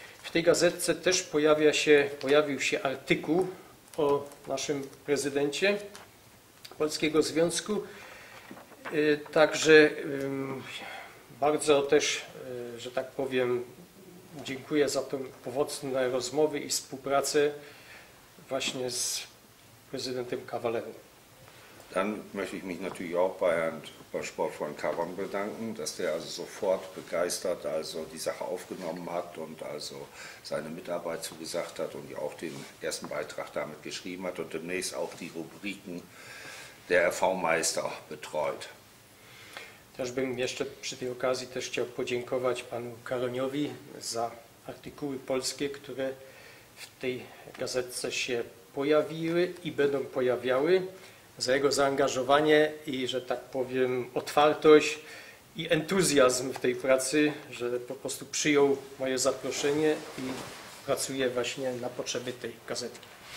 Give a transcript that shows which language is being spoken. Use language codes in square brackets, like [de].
[pl] W tej gazetce też pojawił się artykuł o naszym prezydencie Polskiego Związku. Także bardzo też, że tak powiem, dziękuję za te owocne rozmowy i współpracę właśnie z prezydentem Kawalerem. [de] Dann möchte ich mich natürlich auch bei Herrn Sportfreund Kawan bedanken, dass der also sofort begeistert also die Sache aufgenommen hat und also seine Mitarbeit zugesagt hat und ja auch den ersten Beitrag damit geschrieben hat und demnächst auch die Rubriken der RV-Meister betreut. [pl] Też bym jeszcze przy tej okazji też chciał podziękować panu Karoniowi za artykuły polskie, które w tej gazetce się pojawiły i będą pojawiały, za jego zaangażowanie i, że tak powiem, otwartość i entuzjazm w tej pracy, że po prostu przyjął moje zaproszenie i pracuje właśnie na potrzeby tej gazetki.